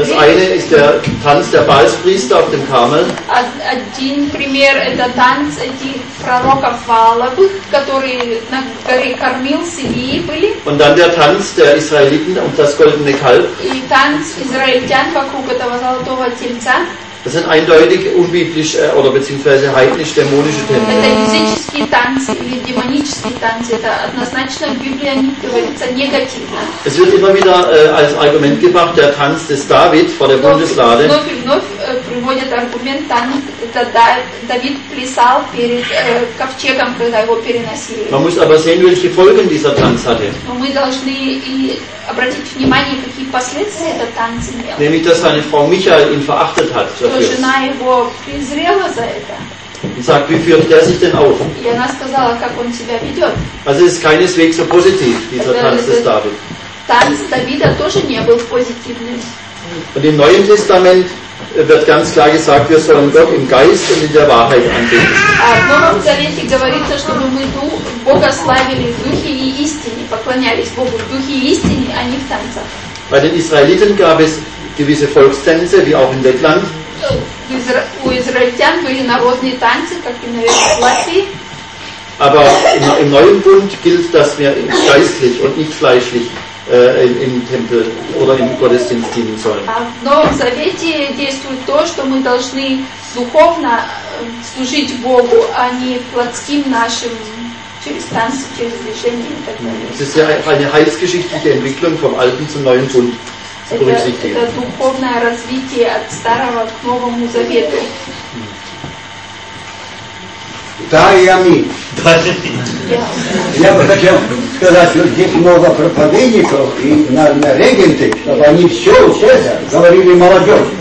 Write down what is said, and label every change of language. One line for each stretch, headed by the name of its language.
German: Das eine ist der Tanz der Balspriester auf dem Karmel.
Russian: Один пример – это танц этих пророков Валовых, которые на горе Кармил сидели были.
German: Und dann der Tanz der Israeliten um das goldene Kalb.
Russian: И танц израильтян вокруг этого золотого тельца.
German: Das sind eindeutig unbiblisch oder beziehungsweise heidnisch-dämonische Tänze.
Russian: Это языческие танцы или демонические танцы. Это однозначно в Библии говорится негативно.
German: Es wird immer wieder als Argument gebracht, der Tanz des David vor der Bundeslade.
Russian: Вновь и вновь приводят аргумент, это Давид плясал перед ковчегом, когда его переносили.
German: Man muss aber sehen, welche Folgen dieser Tanz hatte.
Russian: Мы должны и обратить внимание, какие последствия этот танц имел.
German: Nämlich, dass seine Frau Michael ihn verachtet hat.
Russian: Что жена его презрела за это.
German: Sagt, wie führt der sich denn auf?
Russian: И она сказала, как он себя ведет.
German: Also ist keineswegs so positiv, dieser Tanz des David.
Russian: Танц Давида тоже не был позитивным.
German: Und im Neuen Testament wird ganz klar gesagt, wir sollen Gott im Geist und in der Wahrheit anbeten.
Russian: В Новом Завете говорится, чтобы мы Бога славили в духе и истине, поклонялись Богу в духе и истине, а не в танцах.
German: Bei den Israeliten gab es gewisse Volkstänze, wie auch in Lettland.
Russian: У израильтян были народные танцы, как и, наверное, в Латвии.
German: Aber im Neuen Bund gilt, dass wir geistlich und nicht fleischlich im Tempel oder im Gottesdienst dienen sollen.
Russian: В Новом Завете действует то, что мы должны духовно служить Богу, а не плотским нашим через танцы, через движения и так далее.
German: Es ist ja eine heilsgeschichtliche Entwicklung vom Alten zum Neuen Bund.
Russian: Это духовное развитие от Старого к Новому Завету. Да, и аминь. Я бы хотел сказать, что здесь много проповедников и на регенты, чтобы они все говорили молодежь.